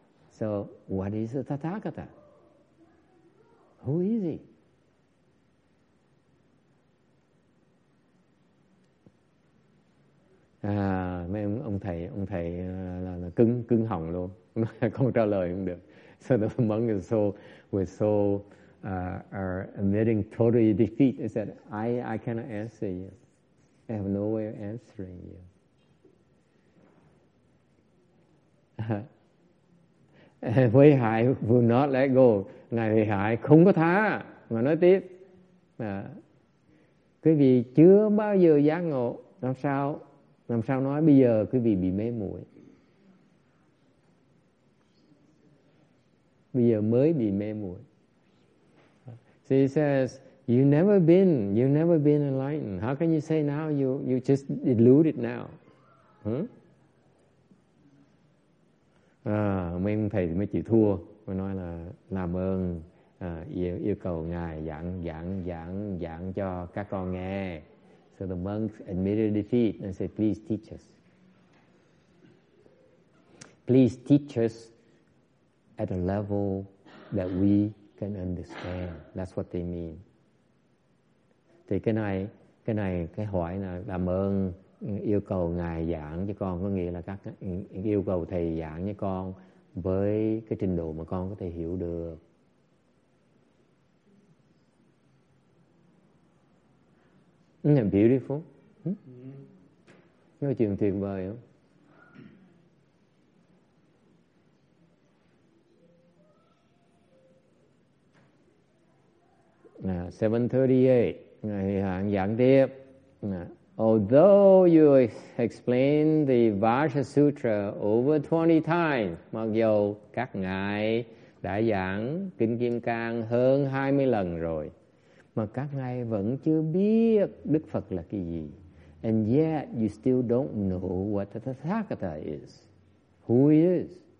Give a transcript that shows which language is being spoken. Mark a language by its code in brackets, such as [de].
[en] So, what is the Tathagata? Who is he? [vi] Mấy ông thầy là cứng họng luôn, không trả lời không được. [en] So the monk is are admitting total defeat. He said, I cannot answer you. I have no way of answering you. Huệ Hải will not let go. [vi] Ngài Huệ Hải không có tha. Ngài nói tiếp. Quý vị chưa bao giờ giác ngộ. Làm sao nói bây giờ quý vị bị mê muội? Bây giờ mới bị mê muội. [en] So he says, you've never been enlightened. How can you say now you just deluded now? [vi] Mấy ông thầy mới chịu thua. Mới nói là làm ơn yêu cầu ngài giảng cho các con nghe. [en] So the monks admitted defeat and said, please teach us. Please teach us at a level that we can understand. That's what they mean. [vi] Thì cái này cái hỏi là làm ơn yêu cầu ngài giảng cho con, có nghĩa là các yêu cầu thầy giảng cho con với cái trình độ mà con có thể hiểu được. [en] Isn't that beautiful? [vi] Nói chuyện tuyệt vời không? Now, 7:38, Ngài Huệ Hải giảng tiếp. [en] Although you explain the Vajra Sutra over 20 times, [vi] mặc dù các ngài đã giảng Kinh Kim Cang hơn 20 lần rồi, mà các ngài vẫn chưa biết Đức Phật là cái gì. [en] And yet you still don't know what the Tathagata is, who he is.